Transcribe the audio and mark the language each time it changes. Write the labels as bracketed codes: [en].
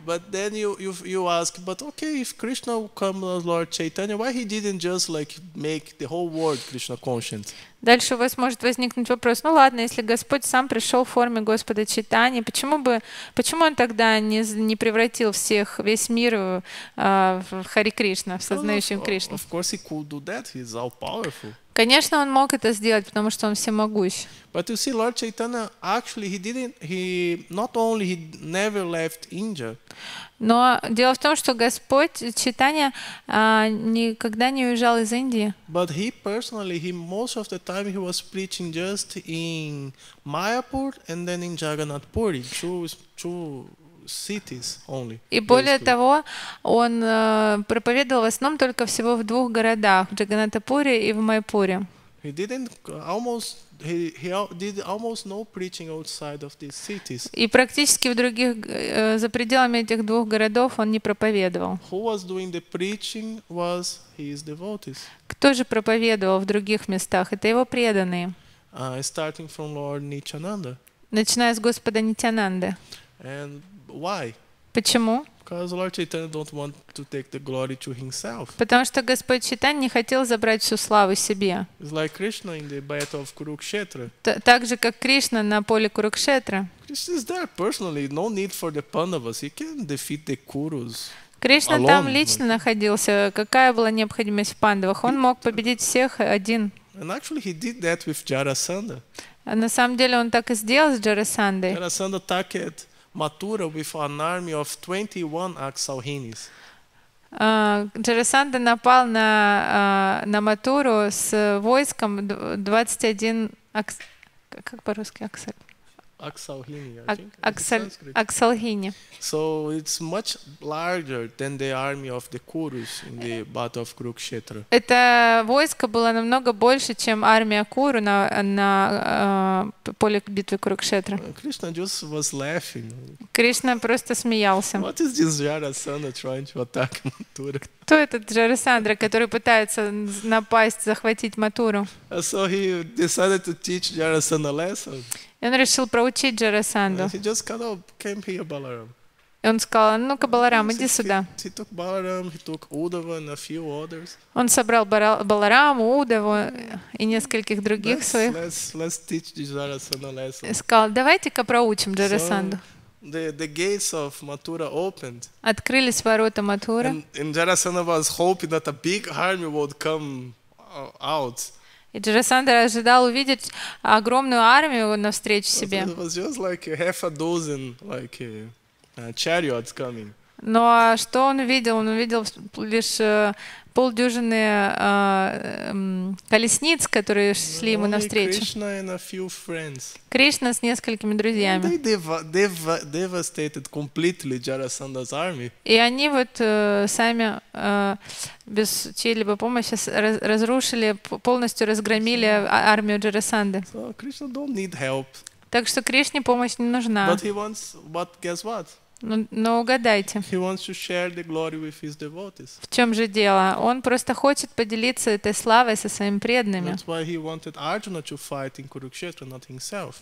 [en] But then you ask, but okay, if Krishna came as Lord Chaitanya, why he didn't just make the whole world Krishna conscious? [ru] Дальше у вас может возникнуть вопрос, ну ладно, если Господь сам пришел в форме Господа Чайтаньи, почему Он тогда не превратил всех, весь мир в Хари Кришна, в сознающих Кришну? [en] Of course he could do that, he's all powerful. [ru] Конечно, Он мог это сделать, потому что Он всемогущ. [en] But you see, Lord Chaitanya, actually, he never left India. [ru] Но дело в том, что Господь Чайтанья никогда не уезжал из Индии. [en] But he personally, he most of the time he was preaching just in Mayapur and then in Jagannath Puri, two cities only. [ru] И более того, он проповедовал в основном только всего в двух городах, в Джаганатапуре и в Майпуре. [en] He did almost no preaching outside of these cities. [ru] И практически в других за пределами этих двух городов он не проповедовал. [en] Who was doing the preaching was his devotees. [ru] Кто же проповедовал в других местах? Это его преданные. [en] Starting from Lord Nityananda. [ru] Начиная с Господа Нитянанды. [en] And why? [ru] Почему? [en] Because Lord Chaitanya don't want to take the glory to himself. [ru] Потому что Господь Чайтанья не хотел забрать всю славу себе. [en] It's like Krishna in the battle of Kurukshetra. [ru] Так же, как Кришна на поле Курукшетра. [en] Krishna is there personally, no need for the Pandavas. He can defeat the Kurus. [ru] Кришна [en] alone. [ru] Там лично находился. Какая была необходимость в Пандавах? Он мог победить всех один. [en] And actually he did that with Jarasandha. [ru] А на самом деле он так и сделал с Джарасандой. [en] Jarasandha attacked Mathura with an army of 21 Akshauhinis. [ru] Джарасандха напал на Матуру с войском 21 как по-русски Akshauhini. [en] So it's much larger than the army of the Kurus in the battle of Kurukshetra. [ru] Это войско было намного больше, чем армия Куру на поле битвы Курукшетра. [en] Krishna just was laughing. [ru] Кришна просто смеялся. [en] What is this Jarasandha trying to attack Mathura? [ru] Кто этот Джарасандра, который пытается напасть, захватить Матуру? [en] So he decided to teach Jarasandha a lesson. [ru] И он решил проучить Джарасандху. [en] He just kind of came here, Balaram. [ru] И он сказал, ну-ка, Баларам, иди сюда. [en] He took Balaram, he took Uddhava and a few others. [ru] Он собрал Балараму, Уддаву и нескольких других своих. [en] Let's teach Jarasandha a lesson. [ru] И сказал, давайте-ка проучим Джарасандху. [en] The gates of Mathura opened. [ru] Открылись ворота Матуры. [en] And Jarasandha was hoping that a big army would come out. [ru] И Джарасандха ожидал увидеть огромную армию навстречу себе. [en] It was just like half a dozen chariots coming. [ru] Но что он увидел? Он увидел лишь полдюжины колесниц, которые шли ему навстречу. [en] Krishna and a few friends. [ru] Кришна с несколькими друзьями. [en] And they devastated completely Jarasandha's army. [ru] И они вот сами без чьей-либо помощи разрушили, полностью разгромили армию Джарасанды. [en] So Krishna don't need help. [ru] Так что Кришне помощь не нужна. [en] But he wants, but guess what? [ru] Но угадайте. [en] He wants to share the glory with his devotees. [ru] В чем же дело? Он просто хочет поделиться этой славой со своими преданными. [en] That's why he wanted Arjuna to fight in Kurukshetra, not himself.